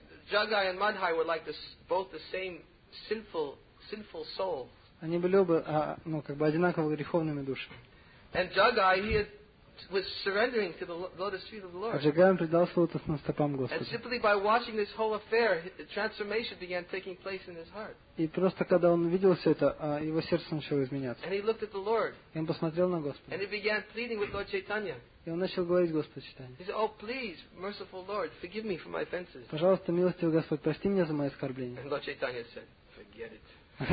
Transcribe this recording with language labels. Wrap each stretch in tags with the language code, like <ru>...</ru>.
<ru>Джагай и Мадхай были как оба те же</ru> <en>синфул</en> <ru>души. Они были оба, как бы одинаково греховными душами.</ru> <en>And Jagai, he had, was surrendering to the lotus feet of the Lord.</en> <ru>А Джагай предался лотосным стопам Господа.</ru> <en>And simply by watching this whole affair, the transformation began taking place in his heart.</en> <ru>И просто когда он увидел все это, его сердце начало изменяться.</ru> <en>And he looked at the Lord.</en> <ru>И он посмотрел на Господа.</ru> <en>And he began pleading with Lord Chaitanya.</en> <ru>И он начал говорить Господу Чайтанье.</ru> <en>He said, "Oh, please, merciful Lord, forgive me for my offenses."</en> <ru>Пожалуйста, милостивый Господь, прости меня за мои оскорбления.</ru> <en>And Lord Chaitanya said, "Forget it."</en>